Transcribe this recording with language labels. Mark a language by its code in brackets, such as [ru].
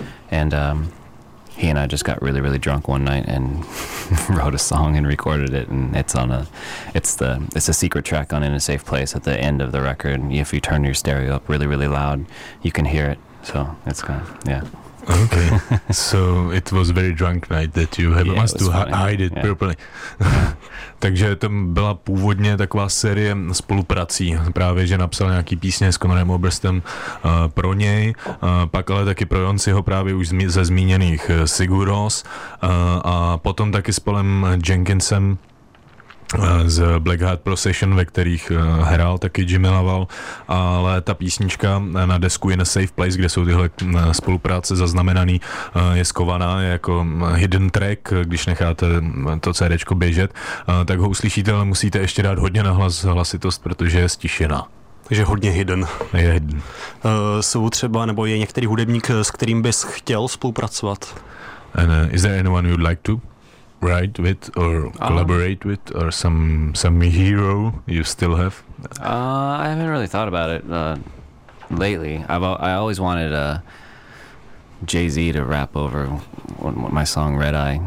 [en] And he and I just got really, really drunk one night and wrote a song and recorded it. And it's on a, it's a secret track on In a Safe Place at the end of the record. And if you turn your stereo up really, really loud, you can hear it. So it's kind of, yeah. Okay, so it was very drunk night that you have must to hide it properly. [cs] Takže to byla původně taková série spoluprací, právě že napsal nějaký písně s Conorem Oberstem pro něj, pak ale taky pro Jonsiho právě už ze zmíněných Sigur Rós a potom taky s Paulem Jenkinsem z Black Heart Procession, ve kterých hrál taky Jimmy Laval, ale ta písnička na desku In a Safe Place, kde jsou tyhle spolupráce zaznamenaný, je skovaná, je jako hidden track, když necháte to CDčko běžet, tak ho uslyšíte, ale musíte ještě dát hodně na hlas hlasitost, protože je stišená. Takže hodně hidden. Je hidden. Jsou třeba, nebo je některý hudebník, s kterým bys chtěl spolupracovat? [en] And, is there anyone you'd like to write with or collaborate with or some hero you still have? I haven't really thought about it lately. I always wanted Jay-Z to rap over my song Red Eye.